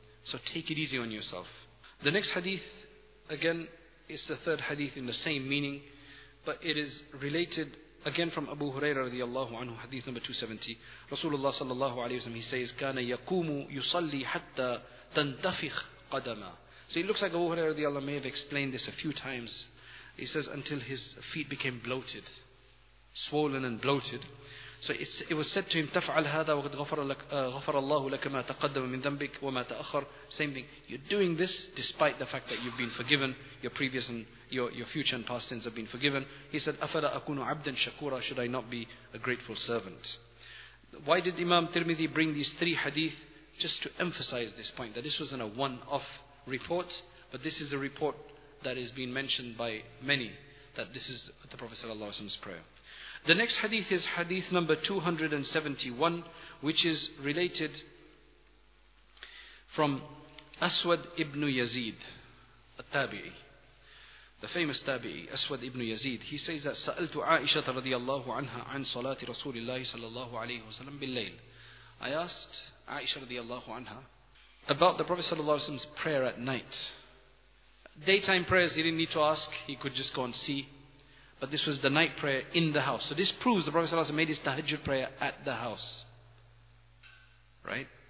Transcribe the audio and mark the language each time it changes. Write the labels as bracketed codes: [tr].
[en] So take it easy on yourself. The next hadith, again, is the third hadith in the same meaning, but it is related again from Abu Hurairah radiallahu anhu, hadith number 270. [ar] Rasulullah sallallahu alayhi wa sallam, [en] he says, [ar] كَانَ يَقُومُ يُصَلِّي حَتَّى تَنْتَفِخْ قَدَمًا. [en] So it looks like Abu Hurairah radiallahu anhu may have explained this a few times. He says, until his feet became bloated, swollen and bloated. So it was said to him, [ar] تَفْعَلْ هَذَا وَقَدْ غَفَرَ اللَّهُ لَكَ مَا تَقَدَّمَ مِنْ ذَنْبِكَ وَمَا تَأَخَرَ. [en] Same thing. You're doing this despite the fact that you've been forgiven. Your previous and your future and past sins have been forgiven. He said, [ar] أَفَلَا أَكُونُ عَبْدًا شَكُورًا. [en] Should I not be a grateful servant? Why did Imam Tirmidhi bring these three hadith? Just to emphasize this point, that this wasn't a one-off report, but this is a report that has been mentioned by many, that this is the Prophet sallallahu alaihi wasallam's prayer. The next hadith is hadith number 271, which is related from Aswad ibn Yazid, al-Tabi'i, the famous Tabi'i, Aswad ibn Yazid. He says that [ar] سَأَلْتُ عَائِشَةَ رَضِيَ اللَّهُ عَنْهَا عَنْ صَلَاةِ رَسُولِ اللَّهِ صَلَى اللَّهُ عَلَيْهُ وَسَلَمْ بِاللَّيْلِ. [en] I asked Aisha [ar] رضي الله عنها [en] about the Prophet [ar] صلى الله عليه وسلم's [en] prayer at night. Daytime prayers he didn't need to ask, he could just go and see. But this was the night prayer in the house. So this proves the Prophet ﷺ made his tahajjud prayer at the house. Right?